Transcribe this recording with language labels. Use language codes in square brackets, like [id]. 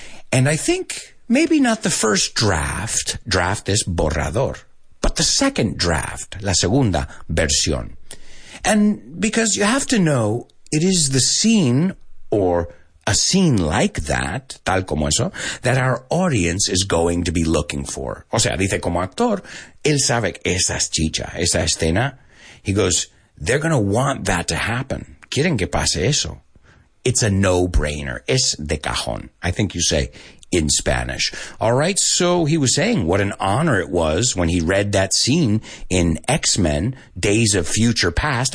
[en] And I think maybe not the first draft [es] es borrador, [en] but the second draft, [es] la segunda versión. [en] And because you have to know, it is the scene or a scene like that, [es] tal como eso, [en] that our audience is going to be looking for. [es] O sea, dice como actor, él sabe que esa es chicha, esa escena. [en] He goes, they're going to want that to happen. [es] Quieren que pase eso. [en] It's a no-brainer. [es] Es de cajón. [en] I think you say in Spanish. All right, so he was saying what an honor it was when he read that scene in X-Men, Days of Future Past.